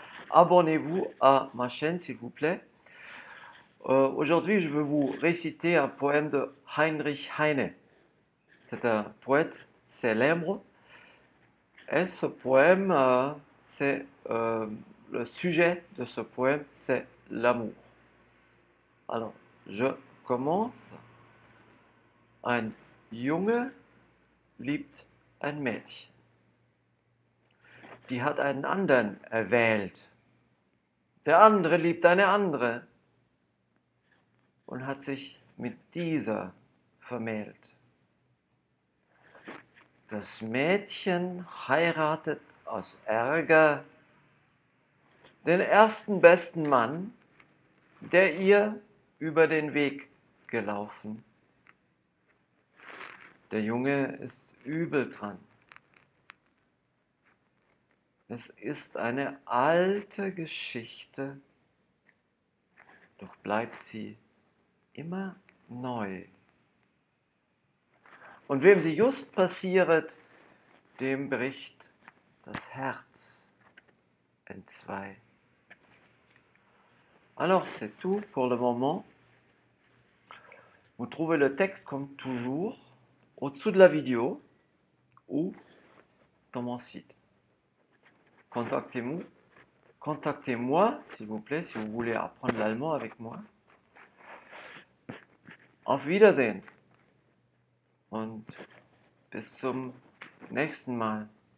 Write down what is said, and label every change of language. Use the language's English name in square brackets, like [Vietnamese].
[French] Abonnez-vous à ma chaîne, s'il vous plaît. Aujourd'hui, je veux vous réciter un poème de Heinrich Heine. C'est un poète célèbre. Et ce poème, le sujet de ce poème, c'est l'amour. Alors, je commence. [German] Ein Junge liebt ein Mädchen. Die hat einen anderen erwählt. Der andere liebt eine andere. Und hat sich mit dieser vermählt. Das Mädchen heiratet aus Ärger den ersten besten Mann, der ihr über den Weg gelaufen. Der Junge ist übel dran. Es ist eine alte Geschichte, doch bleibt sie immer neu. Und wem sie just passiert, dem bricht das Herz entzwei. [French] Alors, c'est tout pour le moment. Vous trouvez le texte comme toujours au-dessous de la vidéo ou dans mon site. Contactez-moi, s'il vous plaît, si vous voulez apprendre l'allemand avec moi. [German] Auf Wiedersehen und bis zum nächsten Mal.